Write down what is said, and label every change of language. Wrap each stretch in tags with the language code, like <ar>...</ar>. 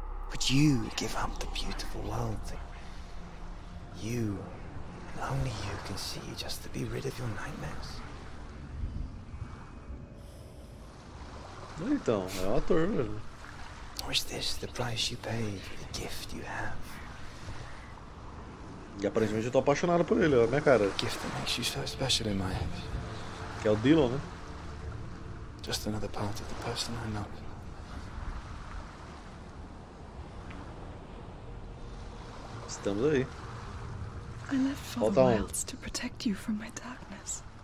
<en>Would you give up the beautiful world that you, and only you, can see just to be rid of your nightmares?</en> <pt>Então, é o ator, velho.</pt> <en>Or is this the price you pay for the gift you have?</en> <pt>E aparentemente eu tô apaixonado por ele, ó, minha cara.</pt> <en>The gift that makes you so special in my eyes.</en> <pt>Que é o Dylan, né?</pt> <en>Just another part of the person I know.</en> <pt>Estamos aí.</pt> <en>I left for the wilds to protect you from my darkness.</en>